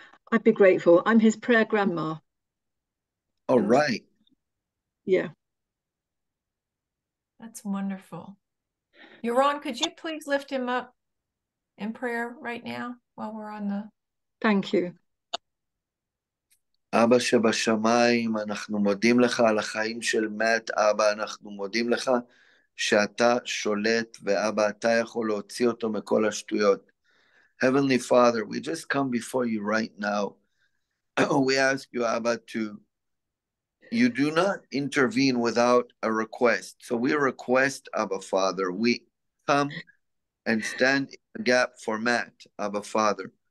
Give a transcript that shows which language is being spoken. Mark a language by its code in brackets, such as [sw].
[en] I'd be grateful. I'm his prayer grandma. All right. Yeah. That's wonderful. Yaron, could you please lift him up in prayer right now while we're on the... Thank you. [he] אבא שבשמיים, אנחנו מודים לך על החיים של מת, אבא, אנחנו מודים לך שאתה שולט, ואבא, אתה יכול להוציא אותו מכל השטויות. [en] Heavenly Father, we just come before you right now. We ask you, Abba, to... You do not intervene without a request. So we request, Abba Father, we come and stand in the gap for Matt, Abba Father.